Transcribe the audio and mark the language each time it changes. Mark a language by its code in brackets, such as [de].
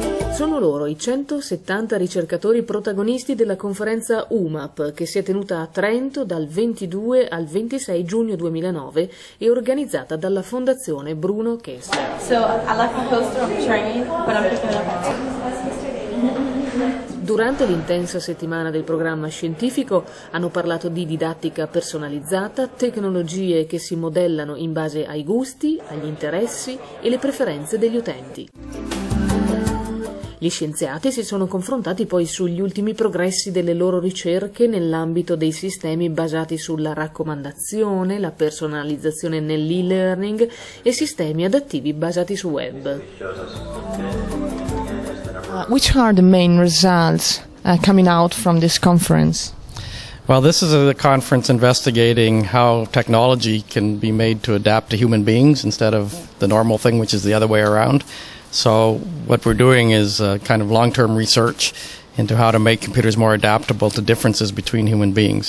[it] Sono loro i 170 ricercatori protagonisti della conferenza Umap, che si è tenuta a Trento dal 22 al 26 giugno 2009 e organizzata dalla Fondazione Bruno Kessler. [en] So, I like the poster of training, but I'm picking up. [it] Durante l'intensa settimana del programma scientifico hanno parlato di didattica personalizzata, tecnologie che si modellano in base ai gusti, agli interessi e le preferenze degli utenti. Gli scienziati si sono confrontati poi sugli ultimi progressi delle loro ricerche nell'ambito dei sistemi basati sulla raccomandazione, la personalizzazione nell'e-learning e sistemi adattivi basati su web. [en] Which are the main results coming out from this conference? Well, this is a conference investigating how technology can be made to adapt to human beings instead of the normal thing, which is the other way around. So what we're doing is kind of long-term research into how to make computers more adaptable to differences between human beings.